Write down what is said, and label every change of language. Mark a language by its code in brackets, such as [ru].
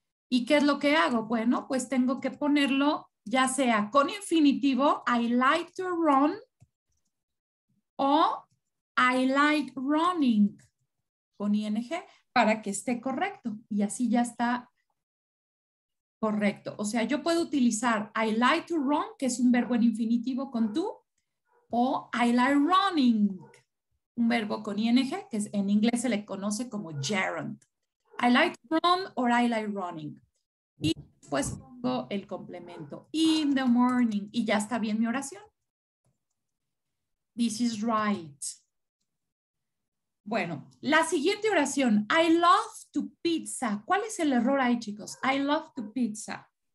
[es] ¿Y qué es lo que hago? Bueno, pues tengo que ponerlo ya sea con infinitivo, [en] I like to run, [es] o [en] I like running, [es] con ing, para que esté correcto. Y así ya está correcto. O sea, yo puedo utilizar [en] I like to run, [es] que es un verbo en infinitivo con tú, o [en] I like running, [es] un verbo con ing, que es, en inglés se le conoce como gerund. [en] I like to run or I like running. [es] Y pues pongo el complemento [en] in the morning [es] y ya está bien mi oración. [en] This is right. [es] Bueno, la siguiente oración, [en] I love to pizza. [es] ¿Cuál es el error ahí, chicos? [en] I love to pizza.